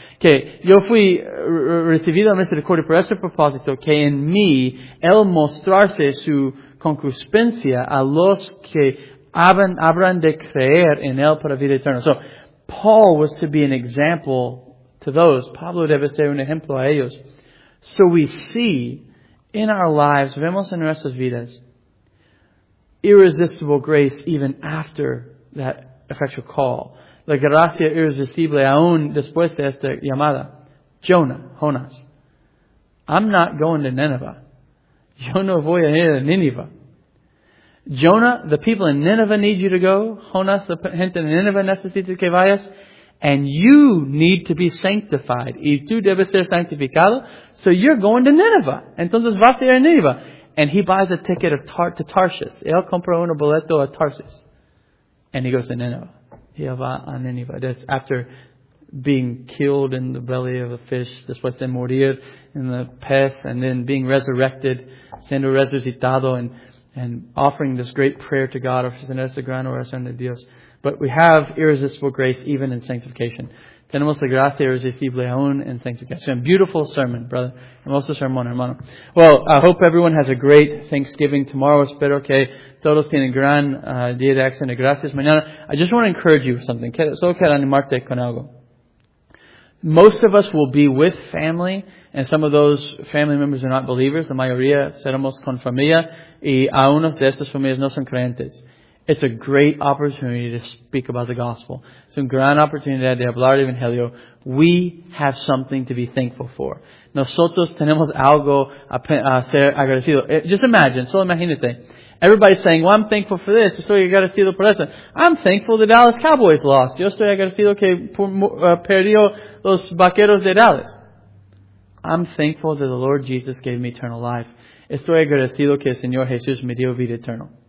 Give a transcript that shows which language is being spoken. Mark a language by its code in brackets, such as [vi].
[es] Que yo fui recibido a misericordia por este propósito, que en mí él mostrarse su concupiscencia a los que habrán de creer en él para vida eterna. [en] So, Paul was to be an example to those. [es] Pablo debe ser un ejemplo a ellos. [en] So we see in our lives, [es] vemos en nuestras vidas, [en] irresistible grace even after that effectual call. [es] La gracia irresistible aún después de esta llamada. [en] Jonah, Jonas. I'm not going to Nineveh. [es] Yo no voy a ir a Nineveh. [en] Jonah, the people in Nineveh need you to go. [es] Jonas, the gente en Nineveh necesita que vayas. [en] And you need to be sanctified. [es] Y tú debes ser santificado. [en] So you're going to Nineveh. [es] Entonces vas a ir a Nineveh. [en] And he buys a ticket to Tarsus. [es] Él compra un boleto a Tarsus. [en] And he goes to Nineveh. He va a Nineveh. That's after being killed in the belly of a fish. [es] Después de morir in the pez. [en] And then being resurrected. [es] Siendo resucitado. [en] And offering this great prayer to God. [es] Ofreciendo esa gran oración de Dios. [en] But we have irresistible grace even in sanctification. [es] Tenemos la gracia de recibirle aún en sanctificación. [en] Beautiful sermon, brother. [es] Hermoso sermón, hermano. [en] Well, I hope everyone has a great Thanksgiving tomorrow. [es] Espero que todos tienen gran día de acción de gracias mañana. [en] I just want to encourage you with something. [es] Solo quiero animarte con algo. [en] Most of us will be with family, and some of those family members are not believers. [es] La mayoría seremos con familia, y algunos de estas familias no son creyentes. [en] It's a great opportunity to speak about the gospel. [es] Es una gran oportunidad de hablar del evangelio. [en] We have something to be thankful for. [es] Nosotros tenemos algo a ser agradecido. [en] Just imagine, [es] solo imagínate. [en] Everybody's saying, well, I'm thankful for this. [es] Estoy agradecido por eso. [en] I'm thankful the Dallas Cowboys lost. [es] Yo estoy agradecido que perdió los vaqueros de Dallas. [en] I'm thankful that the Lord Jesus gave me eternal life. [es] Estoy agradecido que el Señor Jesús me dio vida eterna.